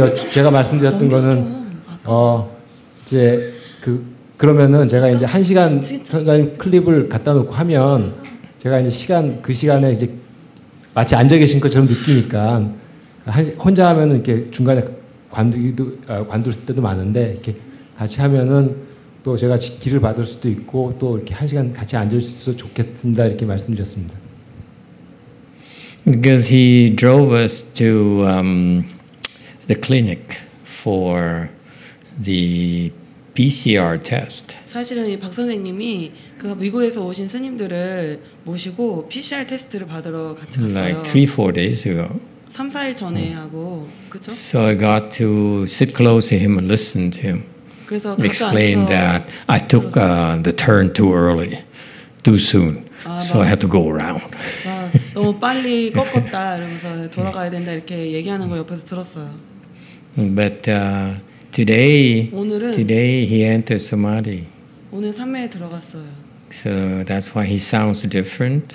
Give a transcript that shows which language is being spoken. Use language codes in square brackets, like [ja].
[ko] 제가 말씀드렸던 거는. 이제 그러면은 제가 이제 한 시간 선생님 클립을 갖다 놓고 하면 제가 이제 시간 그 시간에 이제 마치 앉아 계신 것처럼 느끼니까 혼자 하면은 이렇게 중간에 관두기도 관둘 때도 많은데 이렇게 같이 하면은 또 제가 지키를 받을 수도 있고 또 이렇게 한 시간 같이 앉을 수 있어 좋겠습니다 이렇게 말씀드렸습니다. [en] Because he drove us to the clinic for the PCR test. [ko] 사실은 박 선생님이 그 미국에서 오신 스님들을 모시고 PCR 테스트를 받으러 같이 갔어요. [en] Like 3-4 days ago. [ko] 3-4일 전에 하고 그렇죠? [en] So I got to sit close to him and listen to him. [ko] 그래서 [en] explain that I took the turn too early, too soon. [ko] 아, [en] so [ko] 맞아. [en] I had to go around. [ko] 아, 너무 빨리 꺾었다 이러면서 돌아가야 된다 이렇게 얘기하는 걸 옆에서 들었어요. [en] But today he entered samadhi. [ko] 오늘 삼매에 들어갔어요. [en] So that's why he sounds different.